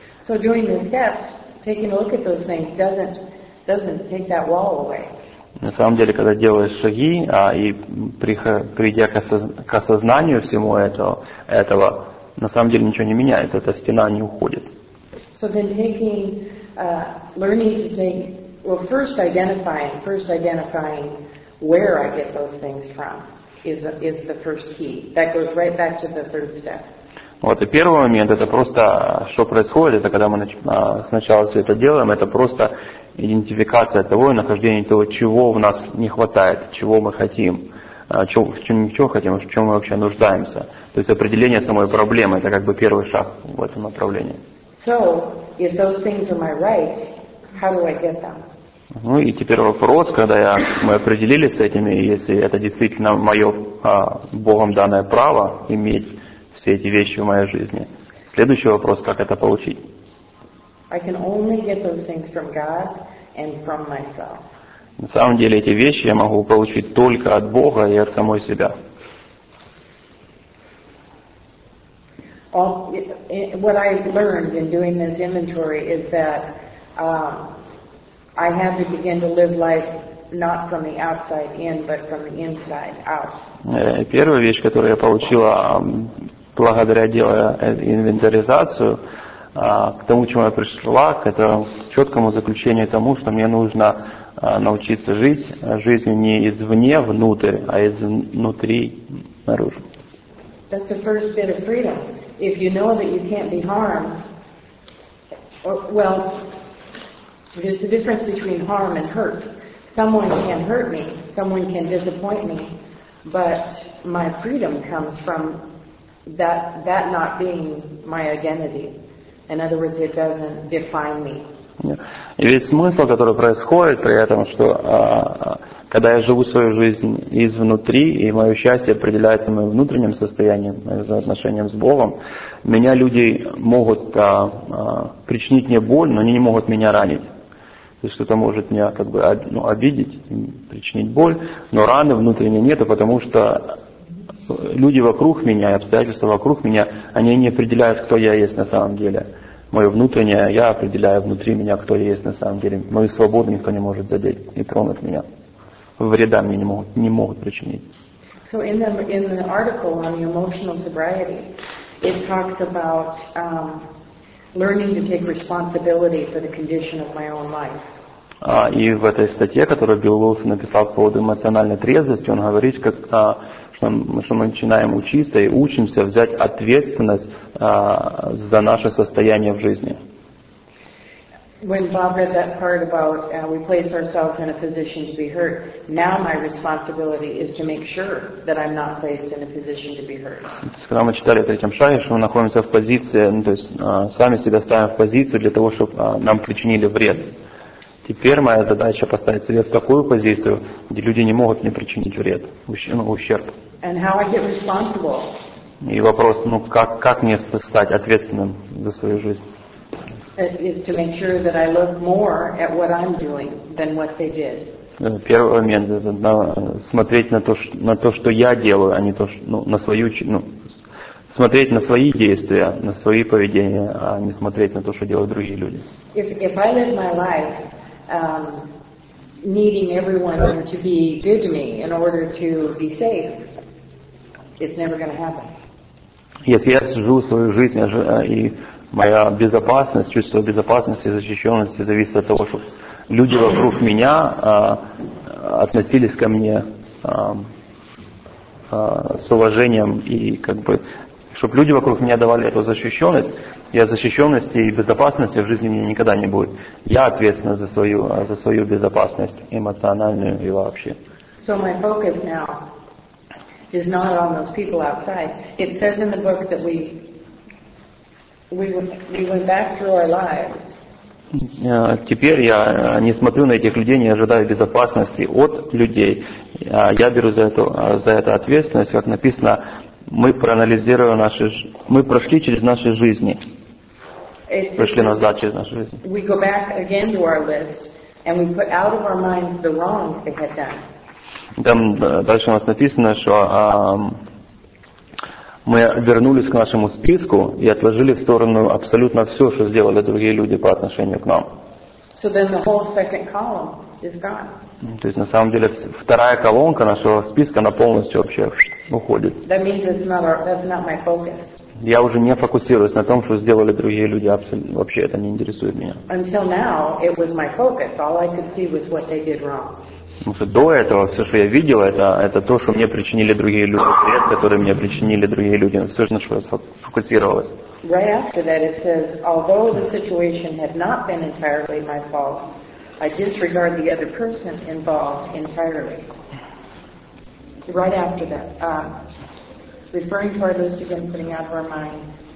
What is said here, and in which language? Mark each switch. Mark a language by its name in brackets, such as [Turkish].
[English] So doing the steps, taking a look at those things doesn't take that wall away. [Russian] На самом деле, когда делаешь шаги, и придя к осознанию всему этого, на самом деле ничего не меняется, эта стена не уходит. [English] So then taking, learning to take, well, first identifying where I get those things from is the first key. That goes right back to the third step. [Russian] Вот, и первый момент, это просто, что происходит, это когда мы сначала все это делаем, это просто идентификация того и нахождение того, чего у нас не хватает, чего мы хотим, чего хотим, в чем мы вообще нуждаемся. То есть определение самой проблемы, это как бы первый шаг в этом направлении. [English] So, if those things are my right, how do I get them? [Russian] Ну и теперь вопрос, когда мы определились с этими, если это действительно мое Богом данное право иметь все эти вещи в моей жизни. Следующий вопрос, как это получить? [English] I can only get those things from God and from myself. [Russian] На самом деле эти вещи я могу получить только от Бога и от самой себя. [English] What I learned in doing this inventory is that I had to begin to live life not from the outside in, but from the inside out. [Russian] Первая вещь, которую я получила благодаря делая инвентаризацию, к тому, чему я пришла, к этому четкому заключению тому, что мне нужно научиться жить жизнью не извне внутрь, а изнутри наружу. [English] That's the first bit of freedom. If you know that you can't be harmed, well, there's a difference between harm and hurt. Someone can hurt me, someone can disappoint me, but my freedom comes from that not being my identity. In other words, it doesn't define me. [Russian] И весь смысл, который происходит при этом, что когда я живу свою жизнь изнутри, и мое счастье определяется моим внутренним состоянием, моим взаимоотношением с Богом, меня люди могут причинить мне боль, но они не могут меня ранить. То есть кто-то может меня как бы обидеть, причинить боль, но раны внутренней нету, потому что люди вокруг меня, обстоятельства вокруг меня, они не определяют, кто я есть на самом деле. Мое внутреннее, я определяю внутри меня, кто я есть на самом деле. Мою свободу никто не может задеть и тронуть меня. Вреда мне не могут причинить. [English] So in the article on the emotional sobriety, it talks about learning to take responsibility for the condition of my own life. [Russian] И в этой статье, которую Билл Уилсон написал по поводу эмоциональной трезвости, он говорит, как что мы начинаем учиться и учимся взять ответственность за наше состояние в жизни. [English] When Bob read that part about we place ourselves in a position to be hurt, now my responsibility is to make sure that I'm not placed in a position to be hurt. [Russian] Когда мы читали о третьем шаге, что мы находимся в позиции, то есть сами себя ставим в позицию для того, чтобы нам причинили вред. Теперь моя задача поставить себя в такую позицию, где люди не могут мне причинить вред, ущерб. [English] And how I get responsible. [Russian] И вопрос, ну как мне стать ответственным за свою жизнь? [English] Is to make sure that I look more at what I'm doing than what they did. [Russian] Первый момент это смотреть на то, что я делаю, а не то, что, ну, на свою, ну, смотреть на свои действия, на свои поведения, а не смотреть на то, что делают другие люди. [English] If I live my life needing everyone to be good to me in order to be safe, it's never going to happen. [Russian] Если я живу свою жизнь и моя безопасность, чувство безопасности и защищенности зависит от того, чтобы люди вокруг меня относились ко мне с уважением и как бы, чтобы люди вокруг меня давали эту защищенность, я защищенности и безопасности в жизни у меня никогда не будет. Я ответственна за свою безопасность эмоциональную и вообще. [English] So my focus now is not on those people outside. It says in the book that we went back through our lives. [Russian] Теперь я не смотрю на этих людей, не ожидаю безопасности от людей. Я беру за это ответственность, как написано, мы проанализировали мы прошли через наши жизни. Прошли назад через наши жизни. [English] We go back again to our list and we put out of our minds the wrongs they had done. [Russian] Там дальше у нас написано, что мы вернулись к нашему списку и отложили в сторону абсолютно все, что сделали другие люди по отношению к нам. [English] So then the whole second column is gone. [Russian] То есть на самом деле вторая колонка нашего списка, она полностью вообще уходит. [English] That means that's not my focus. [Russian] Я уже не фокусируюсь на том, что сделали другие люди, вообще это не интересует меня. [English] Until now, it was my focus. All I could see was what they did wrong. [Russian] Потому что до этого все, что я видел, это то, что мне причинили другие люди, вред, который мне причинили другие люди. Все, на что я сфокусировалась. [English] Right after that it says, although the situation had not been entirely my fault, I disregard the other person involved entirely. Right after that, referring to our list again, putting out of our mind.